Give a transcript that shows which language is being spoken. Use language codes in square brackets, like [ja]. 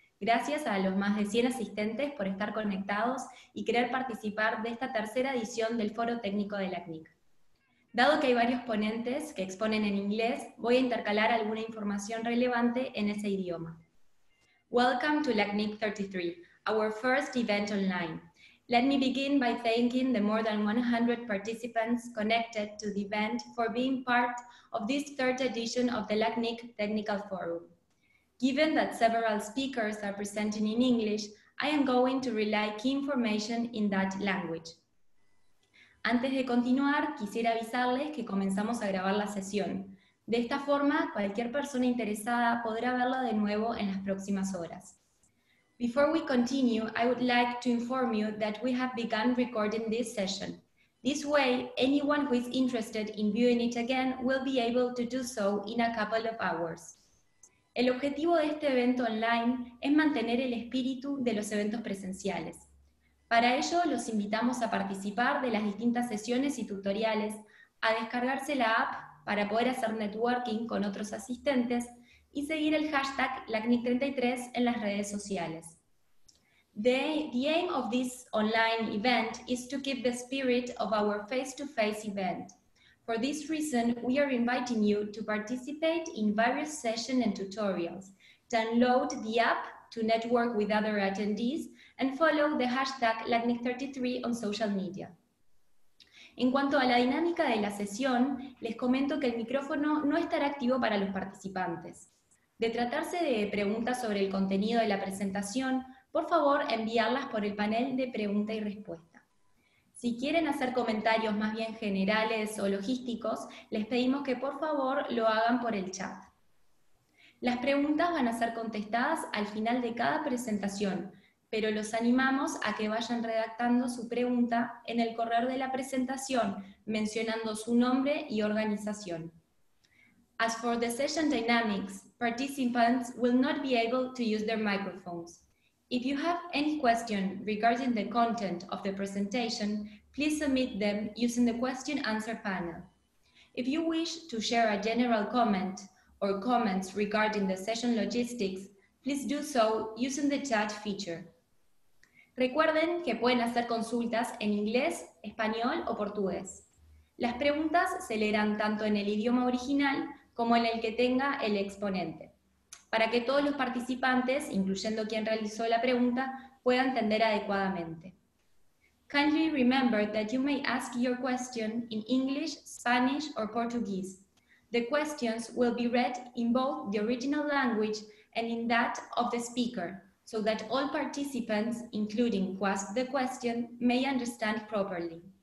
[es] Gracias a los más de 100 asistentes por estar conectados y querer participar de esta tercera edición del foro técnico del ACNIC. Dado que hay varios ponentes que exponen en inglés, voy a intercalar alguna información relevante en ese idioma. [en] Welcome to ACNIC 33. Our first event online. Let me begin by thanking the more than 100 participants connected to the event for being part of this third edition of the ACNIC Technical Forum. Given that several speakers are presenting in English, I am going to relay key information in that language. [es] Antes de continuar, quisiera avisarles que comenzamos a grabar la sesión. De esta forma, cualquier persona interesada podrá verla de nuevo en las próximas horas. [en] Before we continue, I would like to inform you that we have begun recording this session. This way, anyone who is interested in viewing it again will be able to do so in a couple of hours. [es] El objetivo de este evento online es mantener el espíritu de los eventos presenciales. Para ello, los invitamos a participar de las distintas sesiones y tutoriales, a descargarse la app para poder hacer networking con otros asistentes, y seguir el hashtag LACNIC33 en las redes sociales. [en] The aim of this online event is to keep the spirit of our face-to-face event. For this reason, we are inviting you to participate in various sessions and tutorials, download the app to network with other attendees, and follow the hashtag LACNIC33 on social media. [es] En cuanto a la dinámica de la sesión, les comento que el micrófono no estará activo para los participantes. De tratarse de preguntas sobre el contenido de la presentación, por favor enviarlas por el panel de pregunta y respuesta. Si quieren hacer comentarios más bien generales o logísticos, les pedimos que por favor lo hagan por el chat. Las preguntas van a ser contestadas al final de cada presentación, pero los animamos a que vayan redactando su pregunta en el correo de la presentación, mencionando su nombre y organización. [en] As for the session dynamics, participants will not be able to use their microphones. If you have any question regarding the content of the presentation, please submit them using the question answer panel. If you wish to share a general comment or comments regarding the session logistics, please do so using the chat feature. [es] Recuerden que pueden hacer consultas en inglés, español o portugués. Las preguntas se leerán tanto en el idioma original como en el que tenga el exponente, para que todos los participantes, incluyendo quien realizó la pregunta, puedan entender adecuadamente. [en] Kindly remember that you may ask your question in English, Spanish, or Portuguese. The questions will be read in both the original language and in that of the speaker, so that all participants, including who asked the question, may understand properly.